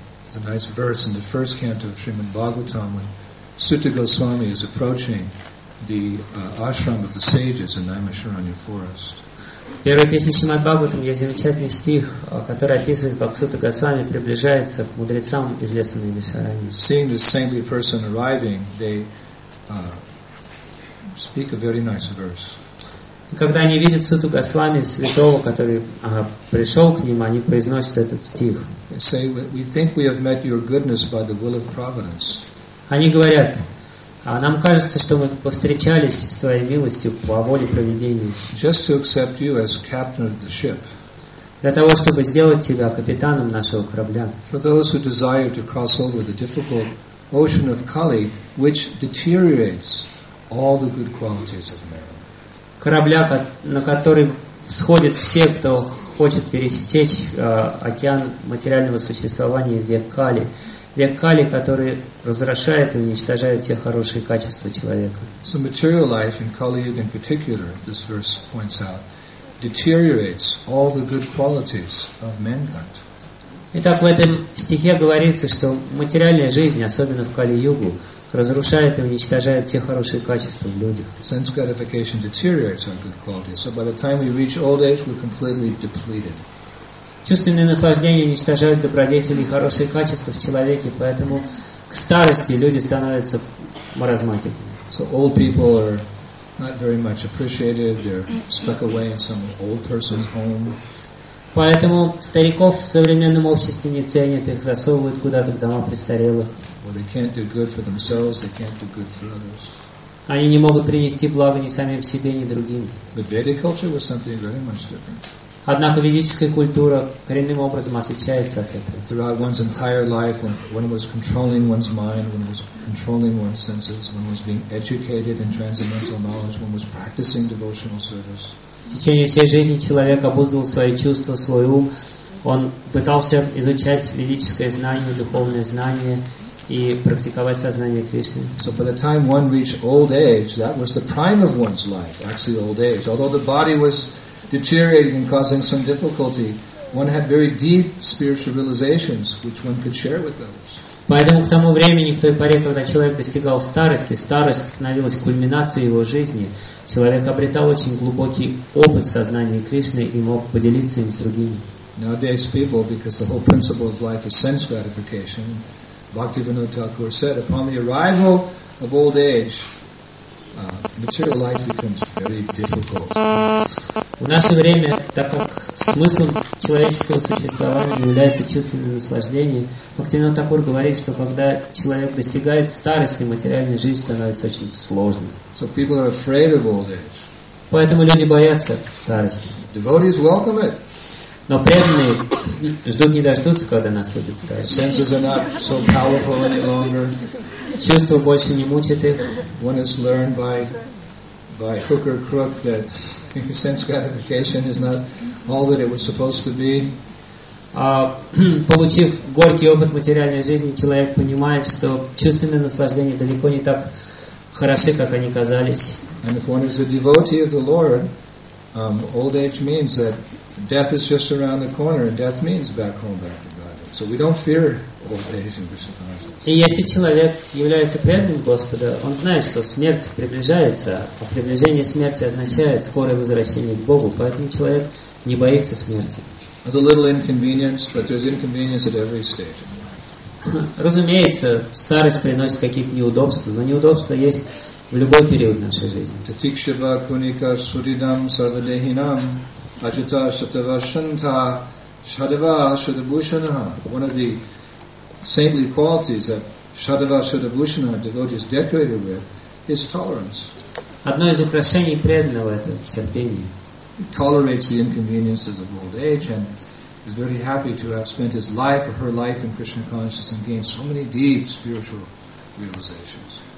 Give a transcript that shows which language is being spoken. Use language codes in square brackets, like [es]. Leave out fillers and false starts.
[en] It's a nice verse in the first canto of Srimad Bhagavatam when Sutta Goswami is approaching the ashram of the sages in Naimisharanya forest. [ru] В первой песне Шримад Бхагаватам есть замечательный стих, который описывает, как Сута Госвами приближается к мудрецам из леса Наймишарани. [en] Seeing this saintly person arriving, they speak a very nice verse. [ru] Когда они видят Суту Госвами святого, который пришел к ним, они произносят этот стих. [en] They say, "We think we have met your goodness by the will of providence." [ru] Они говорят: а нам кажется, что мы повстречались с твоей милостью по воле провидения. [en] Just to accept you as captain of the ship. [ru] Для того, чтобы сделать тебя капитаном нашего корабля. [en] For those who desire to cross over the difficult ocean of Kali, which deteriorates all the good qualities of man. [ru] Корабля, на который сходят все, кто хочет пересечь океан материального существования век Кали. Век Кали, который разрушает и уничтожает все хорошие качества человека. [en] So material life in Kali Yuga in particular, this verse points out, deteriorates all the good qualities of mankind. [ru] Итак, в этом стихе говорится, что материальная жизнь, особенно в Кали-Югу, разрушает и уничтожает все хорошие качества в людях. [en] Sense gratification deteriorates our good qualities. So by the time we reach old age, we're completely depleted. [ru] Чувственные наслаждения уничтожают добродетели и хорошие качества в человеке, поэтому к старости люди становятся маразматиками. [en] So old people are not very much appreciated. They're stuck away in some old person's home. [ru] Поэтому стариков в современном обществе не ценят, их засовывают куда-то в дома престарелых. [en] Well, they can't do good for themselves, they can't do good for others. [ru] Они не могут принести благо ни самим себе, ни другим. [en] But Vedic culture was something very much different. [ru] Однако ведическая культура коренным образом отличается от этого. [en] Throughout one's entire life, when one was controlling one's mind, when one was controlling one's senses, when one was being educated in transcendental knowledge, when one was practicing devotional service. [ru] В течение всей жизни человек обуздывал свои чувства, свой ум. Он пытался изучать ведическое знание, духовное знание и практиковать сознание Кришны. [en] So by the time one reached old age, that was the prime of one's life, actually old age. Although the body was deteriorating and causing some difficulty, one had very deep spiritual realizations which one could share with others. [ru] Поэтому к тому времени, к той поре, когда человек достигал старости, старость становилась кульминацией его жизни, человек обретал очень глубокий опыт сознания Кришны и мог поделиться им с другими. [en] Nowadays people, because the whole principle of life is sense gratification, Bhaktivinoda Thakur said, upon the arrival of old age, material life becomes very difficult. [ru] В наше время, так как смыслом человеческого существования является чувственное наслаждение, Бхактивинода Такур говорит, что когда человек достигает старости, материальная жизнь становится очень сложной. [en] So people are afraid of old age. [ru] Поэтому люди боятся старости. [en] Devotees welcome it. [ru] Но преданные ждут не дождутся, когда наступит старость. [en] Senses are not so powerful any longer. [ru] Чувства больше не мучат их. [en] One has learned by hook or crook that sense gratification is not all that it was supposed to be. [ru] Получив горький опыт материальной жизни, человек понимает, что чувственные наслаждения далеко не так хороши, как они казались. [en] And if one is a devotee of the Lord, old age means that death is just around the corner, and death means back home, back to God. So we don't fear old age in Krishna consciousness. [ru] И если человек является преданным Господа, он знает, что смерть приближается, а приближение смерти означает скорое возвращение к Богу, поэтому человек не боится смерти. [en] There's a little inconvenience, but there's inconvenience at every stage. [ru] Разумеется, старость приносит какие-то неудобства, но неудобства есть в любой период нашей жизни. [sa] Татикшива куника суридам сарвадехинам ajita shatava shanta shadava shudabhushana. [en] One of the saintly qualities that shadava shudabhushana devotee is decorated with is tolerance. [ru] Одно из украшений преданного — это терпение. [en] He tolerates the inconveniences of old age and is very happy to have spent his life or her life in Krishna consciousness and gained so many deep spiritual realizations.